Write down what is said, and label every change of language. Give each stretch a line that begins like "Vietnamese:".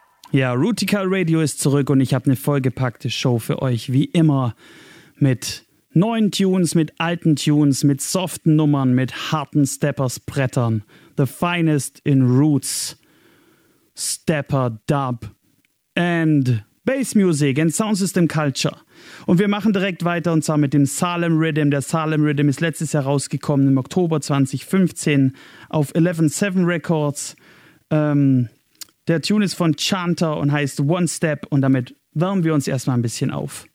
German: Ja, Rootikal Radio ist zurück und ich habe eine vollgepackte Show für euch, wie immer, mit neuen Tunes, mit alten Tunes, mit soften Nummern, mit harten Steppers-Brettern.
English: The finest in Roots, Stepper, Dub and Bass Music and Sound System Culture.
German: Und wir machen direkt weiter, und zwar mit dem Salem Rhythm. Der Salem Rhythm ist letztes Jahr rausgekommen, im Oktober 2015, auf 117 Records. Der Tune ist von Chanter und heißt One Step, und damit wärmen wir uns erstmal ein bisschen auf.